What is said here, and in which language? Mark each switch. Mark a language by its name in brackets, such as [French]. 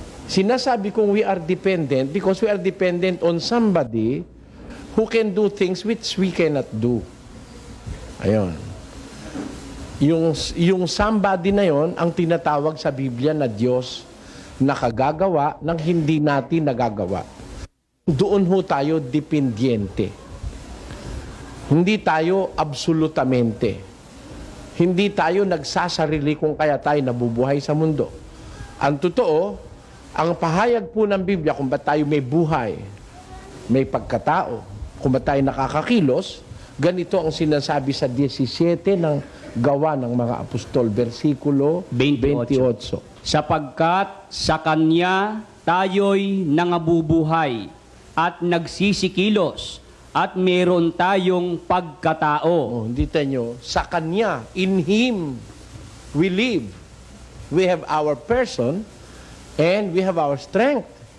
[Filipino] Sinasabi kong [English] we are dependent because we are dependent on somebody who can do things which we cannot do. [Filipino] Ayun. Yung somebody na yon ang tinatawag sa Biblia na Diyos na kagagawa ng hindi natin nagagawa. Doon ho tayo dependiente. Hindi tayo absolutamente. Hindi tayo nagsasarili kung kaya tayo nabubuhay sa mundo. Ang totoo, ang pahayag po ng Biblia kung ba't tayo may buhay, may pagkatao, kung ba't tayo nakakakilos, ganito ang sinasabi sa 17 ng gawa ng mga apostol, versikulo 28. Sapagkat sa Kanya tayo'y nangabubuhay at nagsisikilos, at meron tayong pagkatao. Oh, hindi tayo. Sa Kanya, [English] in Him, we live. We have our person and we have our strength.